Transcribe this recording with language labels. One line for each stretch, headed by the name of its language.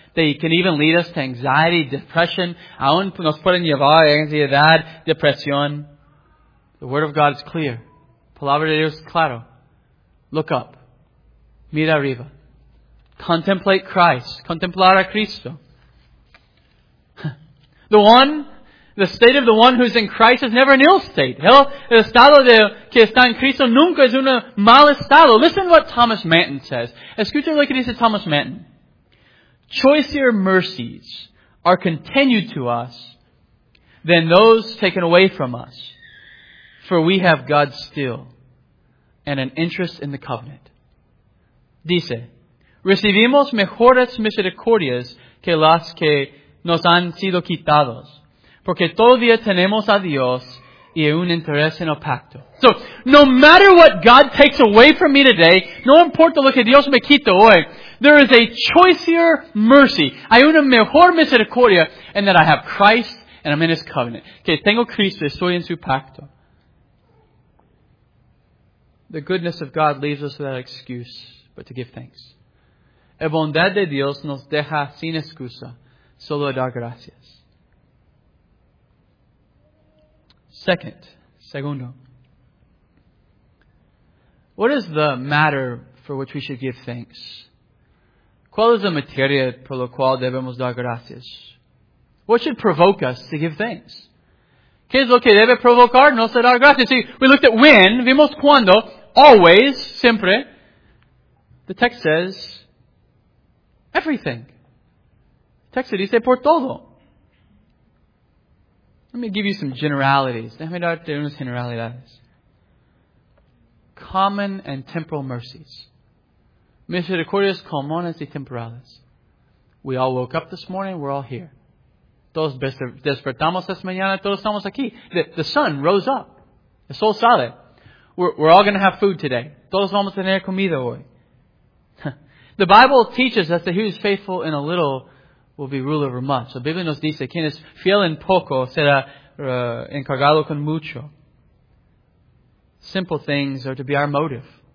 English: They can even lead us to anxiety, depression.
Spanish: Aún nos pueden llevar a ansiedad, depresión.
English: The Word of God is clear.
Spanish: Palabra de Dios es claro.
English: Look up.
Spanish: Mira arriba.
English: Contemplate Christ.
Spanish: Contemplar a Cristo.
English: The one... The state of the one who's in Christ is never an ill state.
Spanish: El estado de que está en Cristo nunca es un mal estado.
English: Listen to what Thomas Manton says.
Spanish: Escucha lo que dice Thomas Manton.
English: Choicer mercies are continued to us than those taken away from us. For we have God still and an interest in the covenant.
Spanish: Dice, recibimos mejores misericordias que las que nos han sido quitados. Porque todavía tenemos a Dios y un interés en el pacto.
English: So, no matter what God takes away from me today,
Spanish: no importa lo que Dios me quita hoy,
English: there is a choicier mercy.
Spanish: Hay una mejor misericordia
English: in that I have Christ and I'm in His covenant.
Spanish: Que tengo Cristo y estoy en su pacto.
English: The goodness of God leaves us without excuse but to give thanks.
Spanish: La bondad de Dios nos deja sin excusa, solo a dar gracias. Segundo.
English: What is the matter for which we should give thanks?
Spanish: ¿Cuál es la materia por la cual debemos dar gracias?
English: What should provoke us to give thanks?
Spanish: ¿Qué es lo que debe provocarnos a dar gracias?
English: See, we looked at when,
Spanish: vimos cuando,
English: always,
Spanish: siempre.
English: The text says, everything. The text
Spanish: dice, por todo.
English: Let me give you some generalities.
Spanish: Déjame darte unas generalidades.
English: Common and temporal mercies.
Spanish: Misericordias comunes y temporales.
English: We all woke up this morning, we're all here.
Spanish: Todos despertamos esta mañana, todos estamos aquí.
English: The sun rose up.
Spanish: El sol sale.
English: We're all going to have food today.
Spanish: Todos vamos a tener comida hoy.
English: The Bible teaches us that he who is faithful in a little will be ruler over much.
Spanish: La Biblia nos dice, quien es fiel en poco será encargado con mucho.
English: Simple things are to be our motive.